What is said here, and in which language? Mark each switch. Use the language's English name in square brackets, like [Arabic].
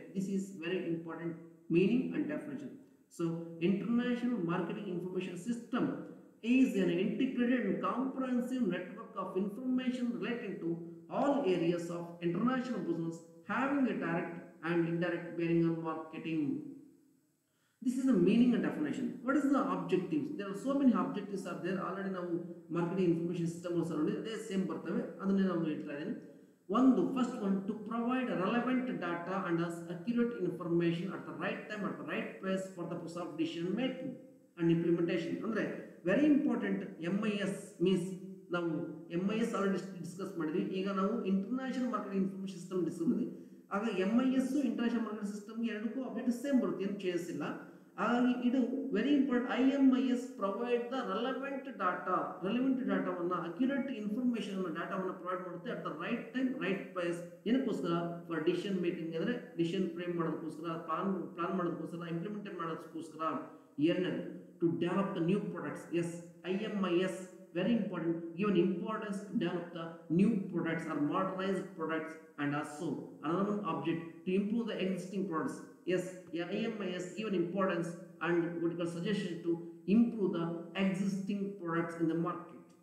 [English] This is very important meaning and definition. So international marketing information system is an integrated comprehensive network of information related to all areas of international business having a direct and indirect bearing on marketing. This is the meaning and definition. What is the objectives? There are so many objectives are there. Already now marketing information system was around. They are same birthday. That is what we will try. One, first one, to provide relevant data and as accurate information at the right time, at the right place for the process of decision making and implementation. And very important, MIS means now MIS already discussed. Now international marketing information system discussed. [Kannada] ಆಗ MIS international marketing system ಎರಡಕ್ಕೂ update same ಬರುತ್ತೆ ಏನು changes ಇಲ್ಲ. ಹಾಗಾಗಿ ಇದು [English] Very important. IMIS provide the relevant data, relevant [Kannada] ಡಾಟಾವನ್ನು [English] accurate information ಡಾಟಾವನ್ನು provide [Kannada] ಮಾಡುತ್ತೆ [English] At the right time right place. [Kannada] ಏನಕ್ಕೋಸ್ಕರ? [English] for decision making [Kannada] ಅಂದರೆ [English] decision frame [Kannada] ಮಾಡೋದಕ್ಕೋಸ್ಕರ, [English] Plan ಮಾಡೋದಕ್ಕೋಸ್ಕರ, implement ಮಾಡೋದಕ್ಕೋಸ್ಕರ. [Kannada] ಎರಡನೇದು [English] To develop the new products. Yes, IMIS very important, given importance to develop the new products or modernized products, and also another one object to improve the existing products. Yes, IMIS given importance and what you call suggestion to improve the existing products in the market.